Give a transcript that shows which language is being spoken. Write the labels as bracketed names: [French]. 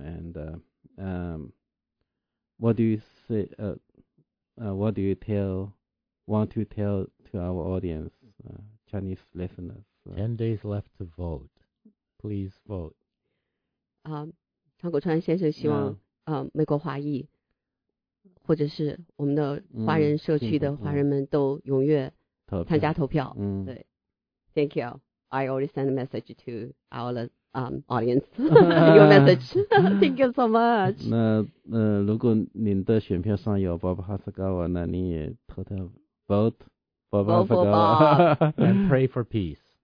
[English] And what do you say? What do you tell? Want to tell to our audience, Chinese listeners? 10 days left to vote. Please vote. [Chinese] 张国川先生希望美国华裔，或者是我们的华人社区的华人们都踊跃参加投票。对 [English] ，Thank you. I already send a message to our audience. Your message. Thank you so much. [Chinese] 那如果您的选票上有 Bob Hasegawa, 那您也投票 [English] vote Bob Hasegawa and pray for peace